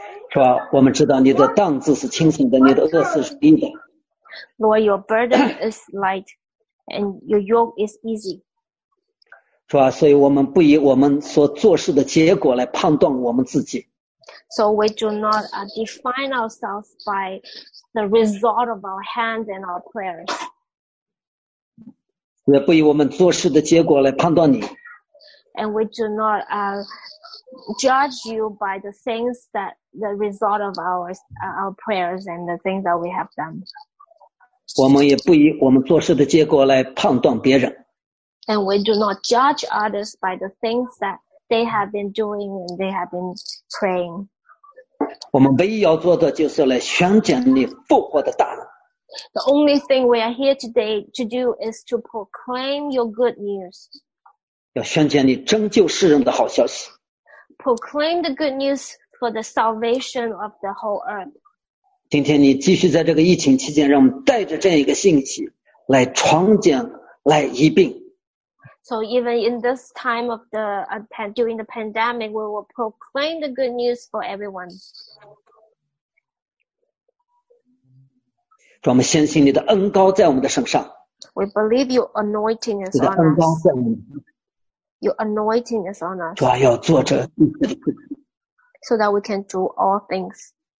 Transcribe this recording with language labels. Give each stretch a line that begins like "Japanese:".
Chinese: 主啊，我们知道你的担子是轻松的，你的轭子是轻的。
English: Lord, your burden is light, and your yoke is easy.
Chinese: 主啊，所以我们不以我们所做事的结果来判断我们自己。
English: So we do not define ourselves by the result of our hands and our prayers.
Chinese: 也不以我们做事的结果来判断你。
English: And we do not judge you by the things that the result of our prayers and the things that we have done.
Chinese: 我们也不以我们做事的结果来判断别人。
English: And we do not judge others by the things that they have been doing and they have been praying.
Chinese: 我们唯一要做的就是来宣讲你复活的大能。
English: The only thing we are here today to do is to proclaim your good news.
Chinese: 要宣讲你拯救世人的好消息。
English: Proclaim the good news for the salvation of the whole earth.
Chinese: 今天你继续在这个疫情期间让我们带着这样一个信息来传讲来医病。
English: So even in this time of the, during the pandemic, we will proclaim the good news for everyone.
Chinese: 我们相信你的恩膏在我们的身上。
English: We believe your anointing is on us.
Chinese: 你的恩膏在我们。
English: Your anointing is on us.
Chinese: 主啊，要做这。
English: So that we can do all things.